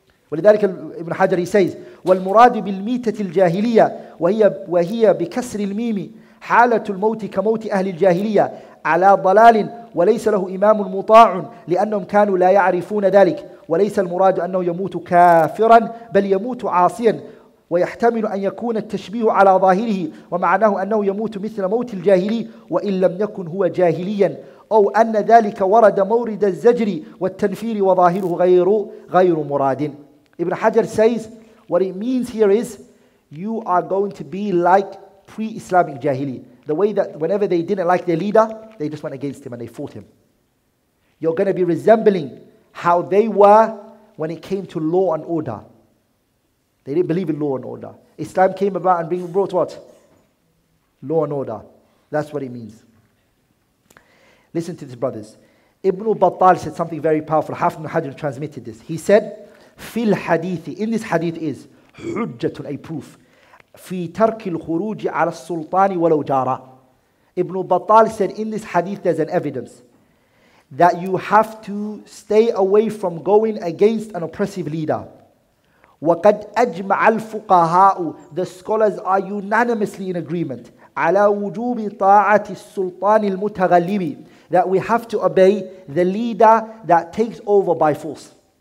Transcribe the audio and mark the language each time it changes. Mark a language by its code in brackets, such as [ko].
[ar] ولذلك ابن حجر, [en] he says, [ar] والمراد بالميتة الجاهلية وهي بكسر الميم حالة الموت كموت أهل الجاهلية على ضلال وليس له إمام مطاع لأنهم كانوا لا يعرفون ذلك وليس المراد أنه يموت كافرا بل يموت عاصيا ويحتمل أن يكون التشبيه على ظاهره ومعناه أنه يموت مثل موت الجاهلي وإن لم يكن هو جاهليا أو أن ذلك ورد مورد الزجر والتنفير وظاهره غير مراد. [en] Ibn Hajar says, what it means here is, you are going to be like pre-Islamic Jahili. The way that whenever they didn't like their leader, they just went against him and they fought him. You're going to be resembling how they were when it came to law and order. They didn't believe in law and order. Islam came about and brought what? Law and order. That's what it means. Listen to this, brothers. Ibn Battal said something very powerful. Hafiz ibn Hajar transmitted this. He said, [ar] في الحديث, [en] in this hadith is [ar] حجة, [en] a proof [ar] في ترك الخروج على السلطان ولو جارا. [en] Ibn Battal said, in this hadith there's an evidence that you have to stay away from going against an oppressive leader. [ar] وقد أجمع الفقهاء, [en] the scholars are unanimously in agreement [ar] على وجوب طاعة السلطان المتغلب, [en] that we have to obey the leader that takes over by force.